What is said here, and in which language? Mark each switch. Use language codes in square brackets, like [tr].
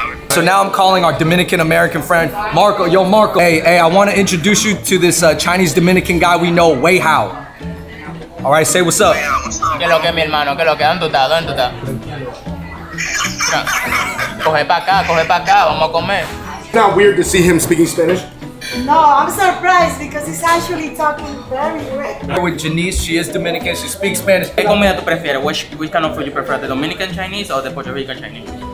[en] So now I'm calling our Dominican American friend, Marco. Yo, Marco. Hey, I want to introduce you to this Chinese Dominican guy we know, Weihao. All right, say what's up. [es] Que lo que, mi hermano, que lo que, ¿dónde está? Coge pa' acá, coge pa' acá, vamos a comer. [en] It's not weird to see him speaking Spanish. No, I'm surprised because he's actually talking very great. With Janice, she is Dominican, she speaks Spanish. [es] ¿Qué comida tú prefieres? [en] Which kind of food you prefer, the Dominican Chinese or the Puerto Rican Chinese?